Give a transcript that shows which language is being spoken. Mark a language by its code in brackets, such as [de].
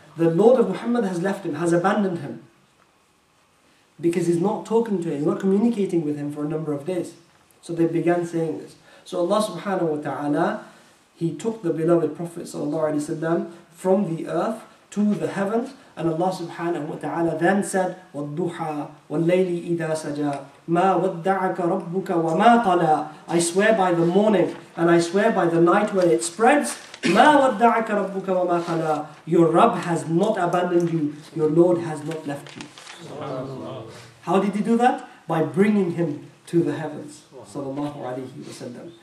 [en] The Lord of Muhammad has left him, has abandoned him. Because he's not talking to him, he's not communicating with him for a number of days. So they began saying this. So Allah subhanahu wa ta'ala, he took the beloved Prophet sallallahu alayhi wa sallam from the earth to the heavens. And Allah subhanahu wa ta'ala then said, [ar] وَالْضُحَى وَاللَّيْلِ إِذَا سَجَى مَا وَدَّعَكَ رَبُّكَ وَمَا قَلَى. [en] I swear by the morning and I swear by the night where it spreads. [ar] مَا وَدَّعَكَ رَبُّكَ وَمَا قَلَى. [en] Your Rabb has not abandoned you. Your Lord has not left you. How did he do that? By bringing him to the heavens, sallallahu alaihi wasallam.